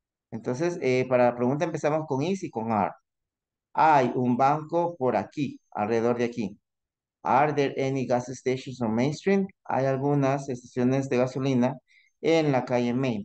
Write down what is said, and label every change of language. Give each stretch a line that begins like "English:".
Spanish: Entonces, para la pregunta empezamos con is y con are. Hay un banco por aquí, alrededor de aquí.
English: Are there any gas stations on Main Street?
Spanish: Hay algunas estaciones de gasolina en la calle Main.